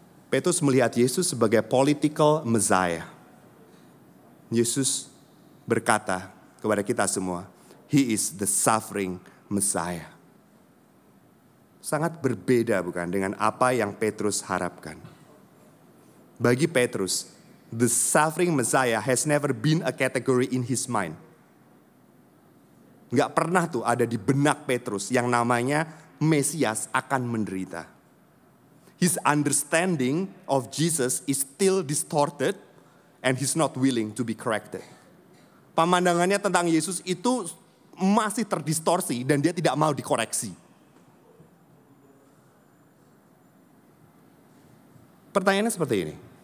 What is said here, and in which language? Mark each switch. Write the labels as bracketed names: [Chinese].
[Indonesian] Petrus melihat Yesus sebagai political Messiah. Yesus berkata kepada kita semua, He is the suffering Messiah. Sangat berbeda bukan dengan apa yang Petrus harapkan. [English] Bagi Petrus, the suffering Messiah has never been a category in his mind. [Indonesian] Gak pernah tuh ada di benak Petrus yang namanya Mesias akan menderita. [English] His understanding of Jesus is still distorted and he's not willing to be corrected. [Indonesian] Pemandangannya tentang Yesus itu masih terdistorsi dan dia tidak mau dikoreksi. Pertanyaannya seperti ini.